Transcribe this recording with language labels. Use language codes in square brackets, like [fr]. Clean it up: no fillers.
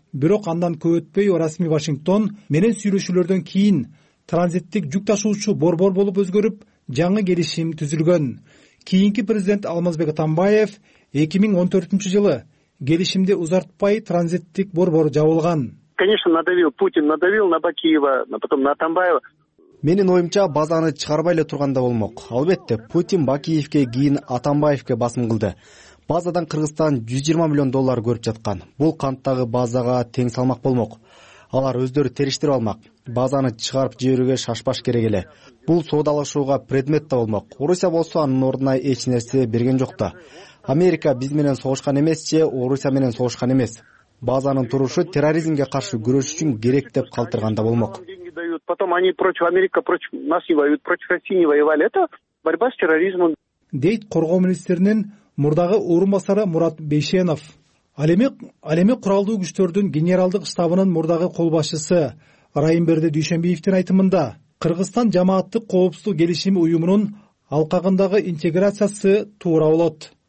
[ky] Бирок андан көп өтпөй расмий Вашингтон менен сүйлөшүүлөрдөн кийин транзиттик жүк ташуучу борбор болуп өзгөрүп, жаңы келишим түзүлгөн. Кийинки президент Алмазбек Атамбаев 2014 жылы келишимди узартпай транзиттик борбор жабылган. [ru] Конечно, надавил Путин, надавил на Бакиева, потом на Атамбаева. [ky] Менин оюмча базаны чыгарбай эле турганда болмок. Албетте, Путин Бакиевке кийин Атамбаевке басым кылды. Базадан Кыргызстан 120 миллион доллар көрүп жаткан. Бул канттагы базага тең салмак болмок. Алар өздөрү териштирип алмак. Базаны чыгарып жиберүүгө шашпаш керек эле. Бул соодалашууга предмет да болмок. Орусия болсо анын ордуна эч нерсе берген жок да. Америка биз менен согушкан эмес же Орусия менен согушкан эмес. Базанын турушу терроризмге каршы күрөш үчүн керек деп калтырганда болмок. [ru] Потом они против Америка, против нас не воюют, против России не воевали. Это борьба с терроризмом. [ky] Дейт коргоо министринин мурдагы орун басары Мурат Бейшенов. Алеми куралдуу күчтөрдүн генералдык штабынын мурдагы колбашчысы Райымберди Дүйшөнбеевтин айтымында Кыргызстан жамааттык коопсуздук келишими уюмунун алкагындагы интеграциясы туура болот.